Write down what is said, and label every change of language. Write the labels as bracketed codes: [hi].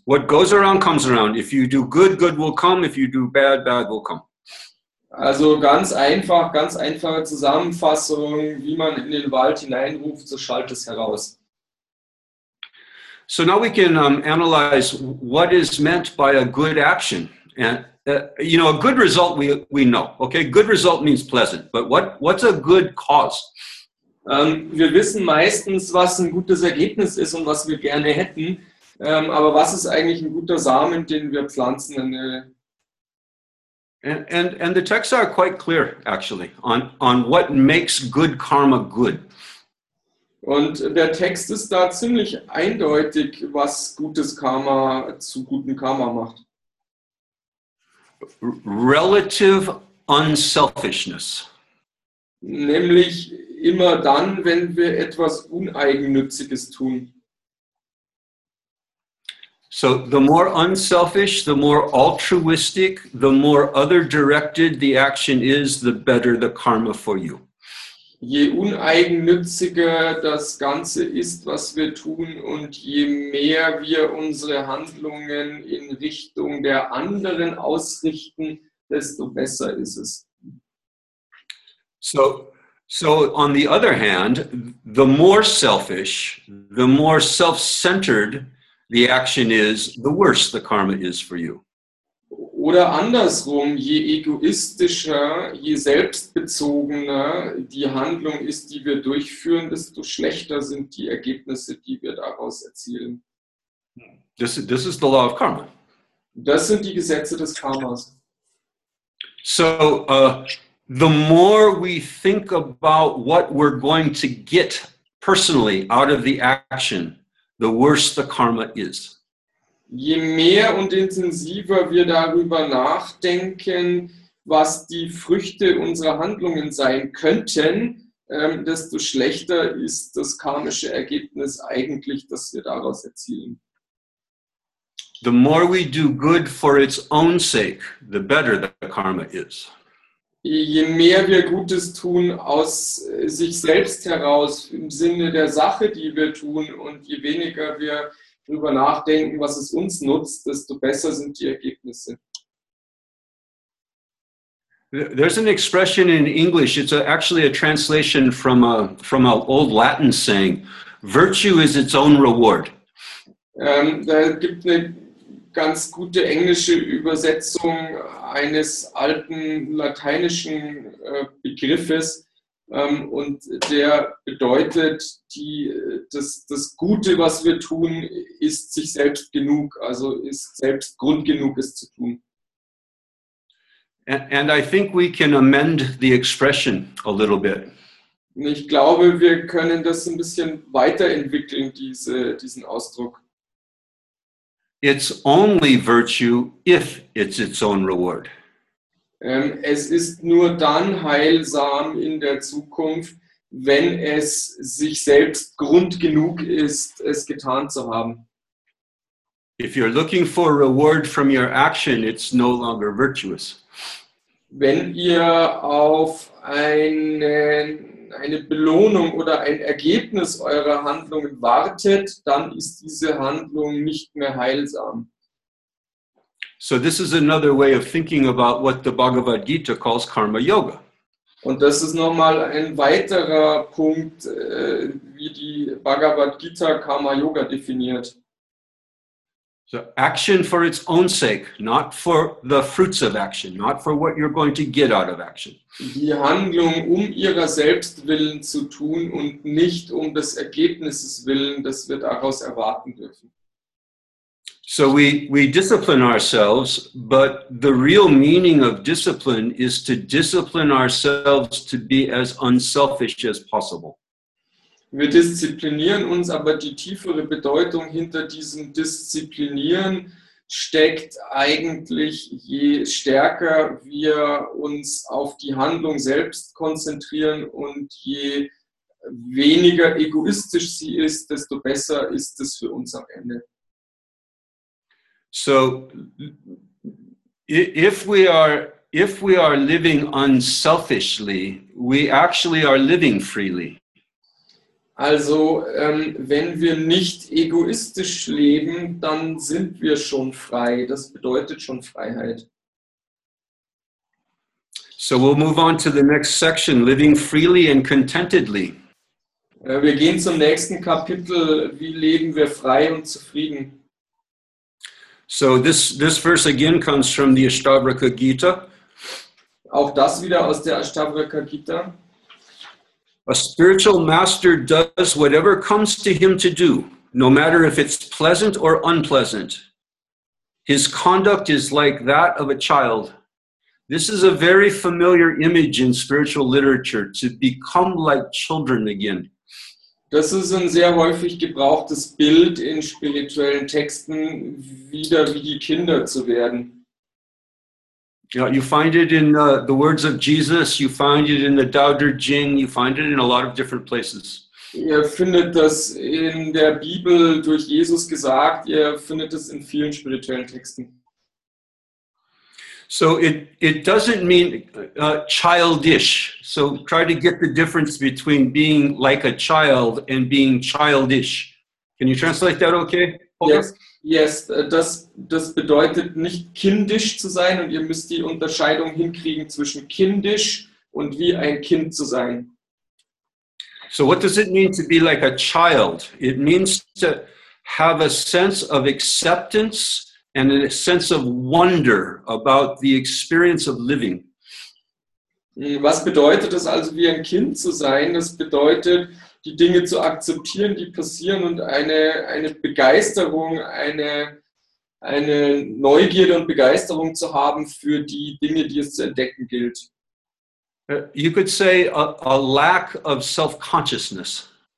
[en] What goes around comes around. If you do good, good will come. If you do bad, bad will come. [de] Also ganz einfache Zusammenfassung, wie man in den Wald hineinruft, so schallt es heraus. [en] So now we can analyze what is meant by a good action. And you know, a good result we know. Okay, good result means pleasant. But what's a good cause? [de] Wir wissen meistens, was ein gutes Ergebnis ist und was wir gerne hätten. Aber was ist eigentlich ein guter Samen, den wir pflanzen? [en] And the texts are quite clear, actually, on what makes good karma good. [de] Und der Text ist da ziemlich eindeutig, was gutes Karma zu gutem Karma macht. [en] Relative unselfishness. [de] Nämlich immer dann, wenn wir etwas Uneigennütziges tun. [en] So the more unselfish, the more altruistic, the more other-directed the action is, the better the karma for you. [de] Je uneigennütziger das Ganze ist, was wir tun, und je mehr wir unsere Handlungen in Richtung der anderen ausrichten, desto besser ist es. [en] So on the other hand, the more selfish, the more self-centered the action is, the worse the karma is for you. [de] Oder andersrum, je egoistischer, je selbstbezogener die Handlung ist, die wir durchführen, desto schlechter sind die Ergebnisse, die wir daraus erzielen. [en] This is the law of karma. [de] Das sind die Gesetze des Karmas. [en] So, the more we think about what we're going to get personally out of the action, the worse the karma is. [de] Je mehr und intensiver wir darüber nachdenken, was die Früchte unserer Handlungen sein könnten, desto schlechter ist das karmische Ergebnis eigentlich, das wir daraus erzielen. [en] The more we do good for its own sake, the better the karma is. [de] Je mehr wir Gutes tun aus sich selbst heraus, im Sinne der Sache, die wir tun, und je weniger wir darüber nachdenken, was es uns nutzt, desto besser sind die Ergebnisse. [en] There's an expression in English, it's actually a translation from an old Latin saying, virtue is its own reward. [de] Da gibt eine ganz gute englische Übersetzung eines alten lateinischen Begriffes. Und der bedeutet, das Gute, was wir tun, ist sich selbst genug, also ist selbst Grund genug, es zu tun. [en] And I think we can amend the expression a little bit. [de] Und ich glaube, wir können das ein bisschen weiterentwickeln, diesen Ausdruck. [en] It's only virtue if it's its own reward. [de] Es ist nur dann heilsam in der Zukunft, wenn es sich selbst Grund genug ist, es getan zu haben. [en] If you're looking for a reward from your action, it's no longer virtuous. [de] Wenn ihr auf eine Belohnung oder ein Ergebnis eurer Handlungen wartet, dann ist diese Handlung nicht mehr heilsam. [en] So this is another way of thinking about what the Bhagavad Gita calls Karma Yoga. [de] Und das ist nochmal ein weiterer Punkt, wie die Bhagavad Gita Karma Yoga definiert. [en] So action for its own sake, not for the fruits of action, not for what you're going to get out of action. [de] Die Handlung um ihrer selbst willen zu tun und nicht um des Ergebnisses willen, das wir daraus erwarten dürfen. [en] So we discipline ourselves, but the real meaning of discipline is to discipline ourselves to be as unselfish as possible. [de] Wir disziplinieren uns, aber die tiefere Bedeutung hinter diesem Disziplinieren steckt eigentlich, je stärker wir uns auf die Handlung selbst konzentrieren und je weniger egoistisch sie ist, desto besser ist es für uns am Ende. [en] So, if we are living unselfishly, we actually are living freely. [de] Also, wenn wir nicht egoistisch leben, dann sind wir schon frei. Das bedeutet schon Freiheit. [en] So, we'll move on to the next section, living freely and contentedly. [de] Wir gehen zum nächsten Kapitel, wie leben wir frei und zufrieden? [en] So, this verse again comes from the Ashtavaka Gita. [de] Auch das wieder aus der Ashtavaka Gita. [en] A spiritual master does whatever comes to him to do, no matter if it's pleasant or unpleasant. His conduct is like that of a child. This is a very familiar image in spiritual literature, to become like children again. [de] Das ist ein sehr häufig gebrauchtes Bild in spirituellen Texten, wieder wie die Kinder zu werden. [en] Yeah, you find it in the words of Jesus, you find it in the Tao Te Ching, you find it in a lot of different places. [de] Ihr findet das in der Bibel durch Jesus gesagt, ihr findet es in vielen spirituellen Texten. [en] So it doesn't mean childish. So try to get the difference between being like a child and being childish. Can you translate that okay? [de] Yes, das bedeutet nicht kindisch zu sein und ihr müsst die Unterscheidung hinkriegen zwischen kindisch und wie ein Kind zu sein. [en] So what does it mean to be like a child? It means to have a sense of acceptance and a sense of wonder about the experience of living. [de] Was bedeutet es also, wie ein Kind zu sein? Das bedeutet, die Dinge zu akzeptieren, die passieren, und eine Begeisterung, eine Neugierde und Begeisterung zu haben für die Dinge, die es zu entdecken gilt. [en] You could say a lack of self-consciousness.